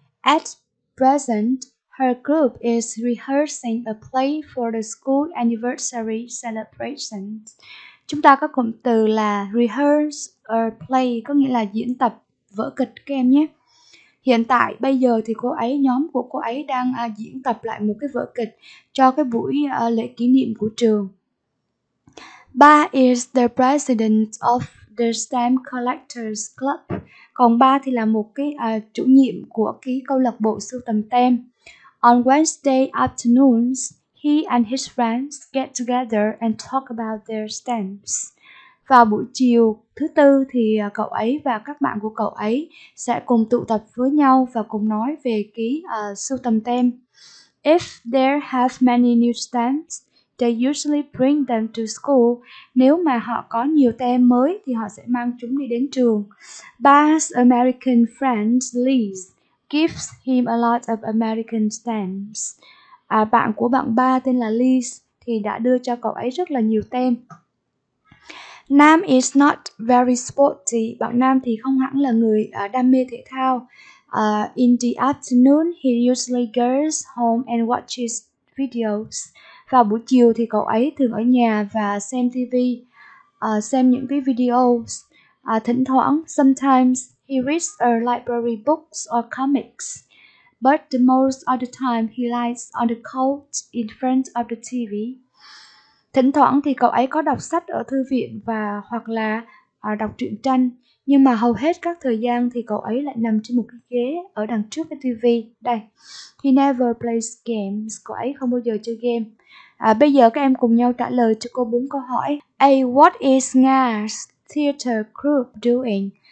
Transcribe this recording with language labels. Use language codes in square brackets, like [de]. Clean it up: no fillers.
[en] At present, her group is rehearsing a play for the school anniversary celebration. [vi] Chúng ta có cụm từ là [en] rehearse a play, [vi] có nghĩa là diễn tập vở kịch các em nhé. Hiện tại, bây giờ thì nhóm của cô ấy đang diễn tập lại một cái vở kịch cho cái buổi lễ kỷ niệm của trường. [en] Ba is the president of the Stamp Collectors Club. [vi] Còn ba thì là một cái chủ nhiệm của cái câu lạc bộ sưu tầm tem. [en] On Wednesday afternoons, he and his friends get together and talk about their stamps. [vi] Vào buổi chiều thứ tư thì cậu ấy và các bạn của cậu ấy sẽ cùng tụ tập với nhau và cùng nói về ký sưu tầm tem. [en] If there have many new stamps, they usually bring them to school. [vi] Nếu mà họ có nhiều tem mới thì họ sẽ mang chúng đi đến trường. [en] Ba's American friend Liz gives him a lot of American stamps. [vi] Bạn của bạn ba tên là Liz thì đã đưa cho cậu ấy rất là nhiều tem. [en] Nam is not very sporty. [vi] Bạn Nam thì không hẳn là người đam mê thể thao. [en] In the afternoon, he usually goes home and watches videos. [vi] Vào buổi chiều thì cậu ấy thường ở nhà và xem TV, xem những cái videos. Thỉnh thoảng, [en] sometimes he reads a library books or comics. But the most of the time, he lies on the couch in front of the TV. [vi] Thỉnh thoảng thì cậu ấy có đọc sách ở thư viện và hoặc là đọc truyện tranh. Nhưng mà hầu hết các thời gian thì cậu ấy lại nằm trên một cái ghế ở đằng trước cái TV. Đây, [en] he never plays games. [vi] Cậu ấy không bao giờ chơi game. Bây giờ các em cùng nhau trả lời cho cô 4 câu hỏi. [en] A, what is Nga's theater group doing?